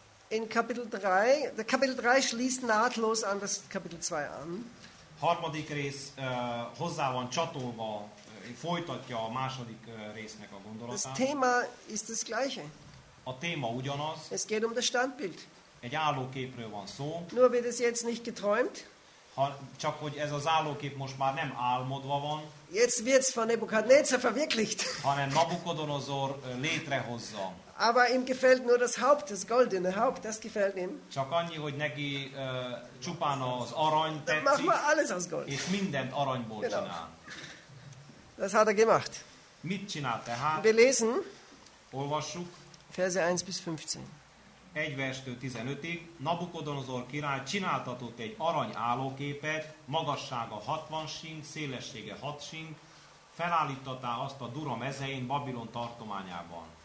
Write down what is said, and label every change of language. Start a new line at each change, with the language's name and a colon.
German: In Kapitel 3, der Kapitel 3 schließt nahtlos an das Kapitel 2 an.
Hungarian: Harmadik rész hozzá van csatolva, folytatja a második résznek a gondolatát.
German: Das Thema ist das gleiche.
Hungarian: A téma ugyanaz.
German: Es geht um das Standbild.
Hungarian: Egy állóképről van szó.
German: Nur wird es jetzt nicht geträumt.
Hungarian: Csak hogy ez az állókép most már nem álmodva van.
German: Jetzt wird's von Nebukadnezar verwirklicht.
Hungarian: Hanem Nabukodonozor létrehozza.
German: Aber ihm gefällt nur das Haupt, das goldene Haupt, das gefällt ihm.
Hungarian: Csak annyi, hogy neki csupán az arany tetszik.
German: Mach mal alles aus Gold.
Hungarian: És mindent aranyból
German: genau.
Hungarian: Csinál.
German: Das hat er gemacht.
Hungarian: Mit csinál tehát?
German: Wir lesen.
Hungarian: Olvassuk.
German: Verse 1 bis 15.
Hungarian: Egy verstől 15-ig Nabukodonozor király csináltatott egy arany állóképet, magassága 60 sink, szélessége 6 sink, felállítottá azt a Dura mezején Babilon tartományában.